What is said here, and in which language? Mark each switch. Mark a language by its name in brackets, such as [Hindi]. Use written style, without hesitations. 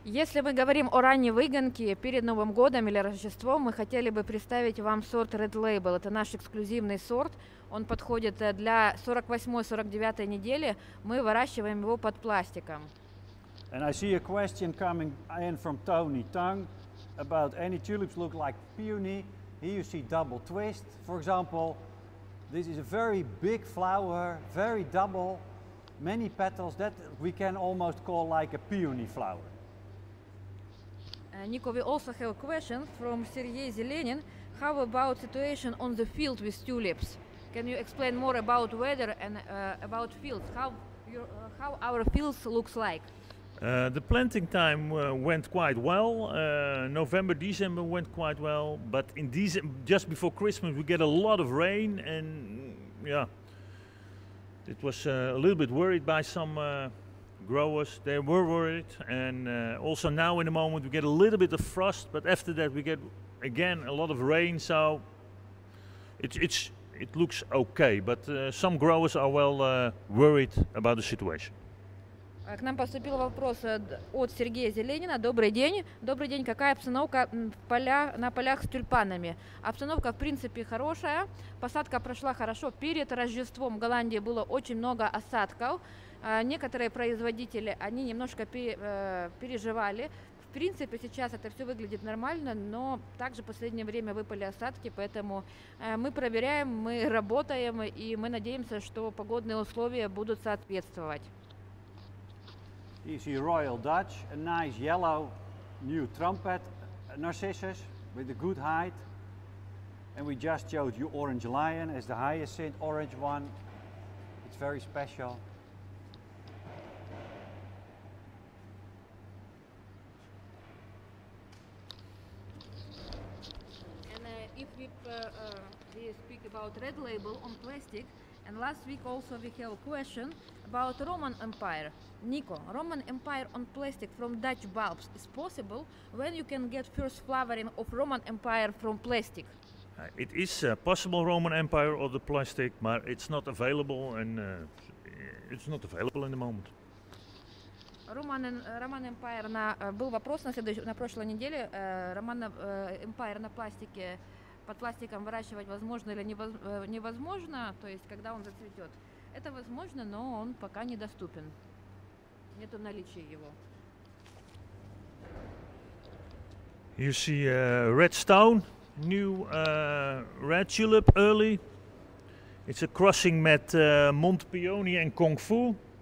[Russian] Если мы говорим о ранней выгонке перед Новым годом или Рождеством, мы хотели бы представить вам сорт Red Label. Это наш эксклюзивный сорт. Он подходит для 48-49 недели. Мы выращиваем его под пластиком. [English] And I see a question coming in from Tony Tang about any tulips look like peony. Here you see double twist, for example. This is a very big flower, very double, many petals, that we can almost call like a peony flower. Nico, we also have a question from Sergei Zelenin. How about situation on the field with tulips? Can you explain more about weather and about fields? How our fields looks like? The planting time went quite well. November, December went quite well, but in just before Christmas we get a lot of rain, and yeah, it was a little bit worried by some growers. They were worried, and also now in the moment we get a little bit of frost, but after that we get again a lot of rain. So it looks okay, but some growers are well worried about the situation. [Russian] К нам поступил вопрос от Сергея Зеленина. Добрый день. Добрый день. Какая обстановка на полях с тюльпанами? Обстановка, в принципе, хорошая. Посадка прошла хорошо. Перед Рождеством в Голландии было очень много осадков. Некоторые производители, они немножко переживали. В принципе, сейчас это все выглядит нормально, но также в последнее время выпали осадки, поэтому мы проверяем, мы работаем, и мы надеемся, что погодные условия будут соответствовать. [English] You see Royal Dutch, a nice yellow new trumpet narcissus with a good height. And we just showed you Orange Lion as the hyacinth orange one. It's very special. And if we speak about Red Label on plastic, and last week also we have a question about Roman Empire. Nico, Roman Empire on plastic from Dutch bulbs is possible? When you can get first flowering of Roman Empire from plastic? It is possible, Roman Empire on the plastic, but it's not available, and it's not available in the moment. [Russian] Roman Empire на был вопрос на прошлой неделе. Roman Empire на пластике, под пластиком выращивать возможно или невозможно? То есть когда он зацветет? Это возможно, но он пока недоступен. Нет в наличии его. [English] You see red stone, new red tulip early. It's a crossing met Mont Peony and Kung Fu.